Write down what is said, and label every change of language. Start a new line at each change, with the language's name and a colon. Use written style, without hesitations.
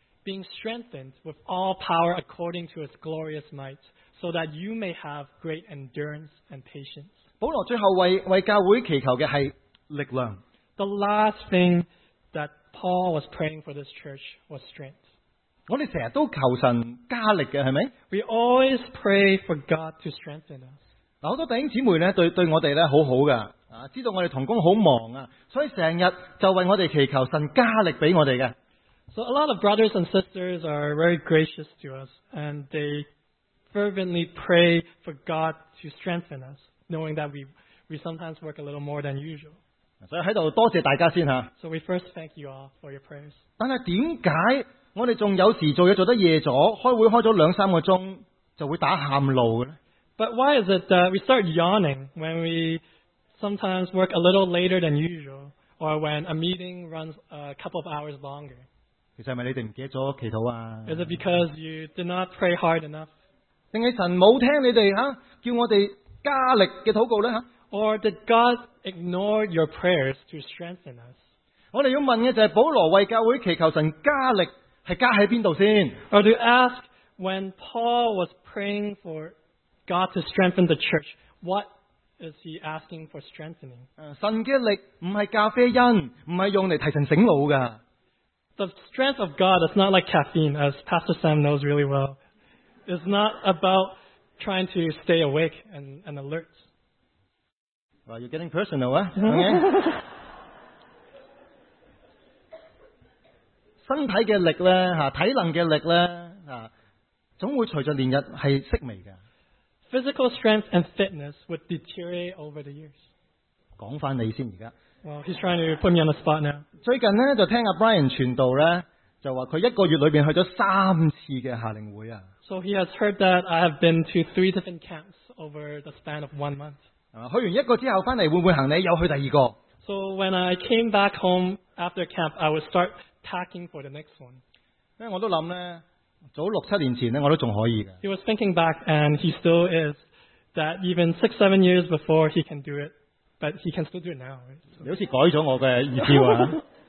English: Being strengthened with all power according to his glorious might, so that you may have great endurance and patience.
Cantonese: 保罗最后为教会祈求的是力量。
English: The last thing that Paul was praying for this church was strength.
Cantonese: 我们经常都求神加力的,是吗?
English: We always pray for God to strengthen us.
Cantonese: 很多弟兄姊妹对我们很好的, 知道我们同工很忙的, 所以经常就为我们祈求神加力给我们的。
English: So a lot of brothers and sisters are very gracious to us, and they fervently pray for God to strengthen us, knowing that we sometimes work a little more than usual.
Cantonese: 所以在这里多谢大家先,
English: so we first thank you all for your prayers.
Cantonese: 但是为什么我们还有时做事做得夜了, 开会开了两三个小时就会打喊路呢?
English: But why is it that we start yawning when we sometimes work a little later than usual, or when a meeting runs a couple of hours longer?
Cantonese: 其实是不是你们忘记了祈祷啊?
English: Is it because you did not pray hard enough?
Cantonese: 还是神没听你们叫我们加力的祷告呢?
English: Or did God ignore your prayers to strengthen us?
Cantonese: 我们要问的就是保罗为教会祈求神加力是加在哪里先?
English: Or to ask, when Paul was praying for God to strengthen the church, what is he asking for strengthening?
Cantonese: 神的力不是咖啡因，不是用嚟提神醒脑噶。
English: The strength of God is not like caffeine, as Pastor Sam knows really well. It's not about trying to stay awake and alert. Well, you're getting personal, huh? Okay.
Cantonese: 身體的力呢,體能的力呢,總會隨著年日是式微的。
English: Physical strength and fitness would deteriorate over the years.
Cantonese: 講返你先,現在。
English: Well, he's trying to put me on the spot now.
Cantonese: 最近呢,就聽Brian傳道呢, 就話佢一個月裡面去咗三次的夏令會啊。
English: So he has heard that I have been to three different camps over the span of 1 month.
Cantonese: 去完一個之後返嚟,會不會行李又去第二個?
English: So when I came back home after camp, I would start packing for the next one.
Cantonese: 因為我都想呢,早六七年前呢,我都仲可以的。
English: He was thinking back, and he still is, that even 6-7 years before, he can do it. But he can still do it now. Right?
Cantonese: 你好像改了我的意思啊。